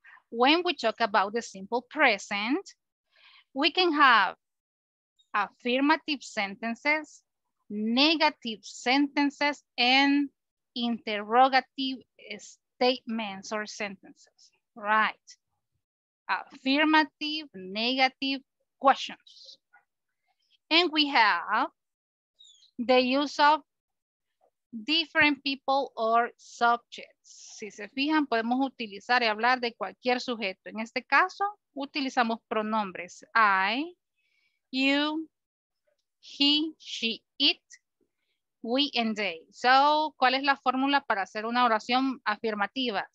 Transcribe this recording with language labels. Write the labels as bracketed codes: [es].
[en] When we talk about the simple present, we can have affirmative sentences, negative sentences, and interrogative statements or sentences. Right. affirmative, negative questions. And we have the use of different people or subjects. [es] Si se fijan, podemos utilizar y hablar de cualquier sujeto. En este caso, utilizamos pronombres. [en] I, you, he, she, it, we, and they. [es] So, ¿cuál es la fórmula para hacer una oración afirmativa?